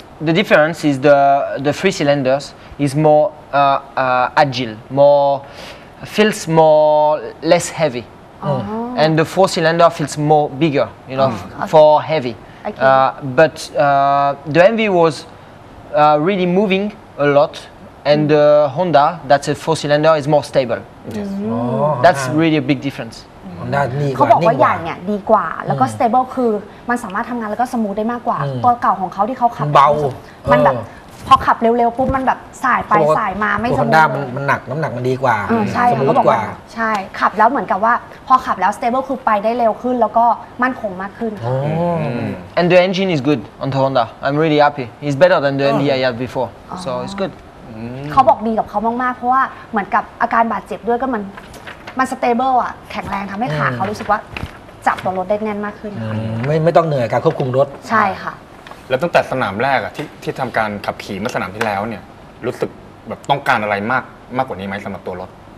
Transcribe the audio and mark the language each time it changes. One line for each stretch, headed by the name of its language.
English: The difference is the three cylinders is more agile, more feels more less heavy, and the four cylinder feels more bigger. You know, for heavy. But the MV was. Really moving a lot and the Honda that's a four cylinder is more stable yes. oh, that's really a big difference
Thai: เขาบอกว่าอย่างเนี้ยดีกว่าแล้วก็ stable คือมันสามารถทำงานแล้วก็สมูทได้มากกว่าตัวเก่าของเขาที่เขาขับ เบามันแบบพอขับเร็วๆปุ๊บมันแบบสายไปสายมาไม่สมูท ตัว Honda มันหนักน้ำหนักมันดีกว่า ใช่เขาบอกว่าใช่ขับแล้วเหมือนกับว่าพอขับแล้ว stable คือไปได้เร็วขึ้นแล้วก็มั่นคงมากขึ้น
English: and the engine is good on the Honda I'm really happy it's better than the MV I had before so it's good
Thai: เขาบอกดีกับเขามากๆเพราะว่าเหมือนกับอาการบาดเจ็บด้วยก็มัน stable อ่ะแข็งแรงทำให้ขาเขารู้สึกว่าจับตัวรถได้แน่นมากขึ้น ไม่ต้องเหนื่อยการควบคุมรถ ใช่ค่ะ แล้วตั้งแต่สนามแรกอะที่ทำการขับขี่เมื่อสนามที่แล้วเนี่ยรู้สึกแบบต้องการอะไรมากกว่านี้ไหมสำหรับตัวรถ